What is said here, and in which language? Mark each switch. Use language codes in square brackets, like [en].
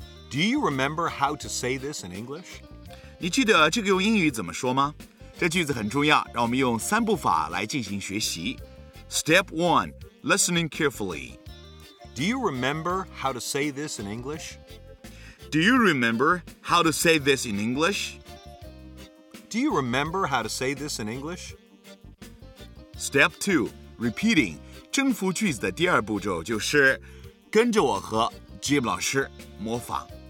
[en] Do you remember how to say this in English? [zh] 你记得这个用英语怎么说吗?这句子很重要,让我们用三步法来进行学习。 [en] Step one, listening carefully. Do you remember how to say this in English? Do you remember how to say this in English? Do you remember how to say this in English? Step 2, repeating, [zh] 征服句子的第二步骤就是跟着我和 Jim 老师模仿。